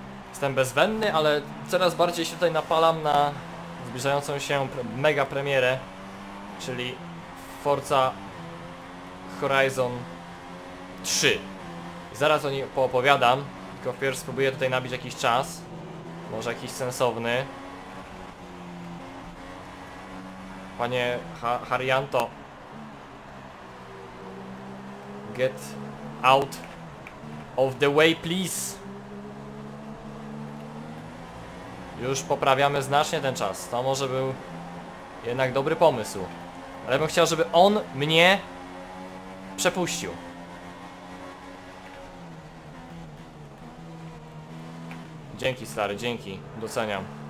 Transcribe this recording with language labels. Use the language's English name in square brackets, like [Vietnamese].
[Polish] Jestem bezwenny, ale coraz bardziej się tutaj napalam na zbliżającą się mega premierę, czyli Forza Horizon 3. Zaraz o niej poopowiadam, tylko wpierw spróbuję tutaj nabić jakiś czas, może jakiś sensowny. [English] Panie Harianto, get out of the way, please. [Polish] Już poprawiamy znacznie ten czas. To może był jednak dobry pomysł. Ale bym chciał, żeby on mnie przepuścił. Dzięki, stary, dzięki. Doceniam.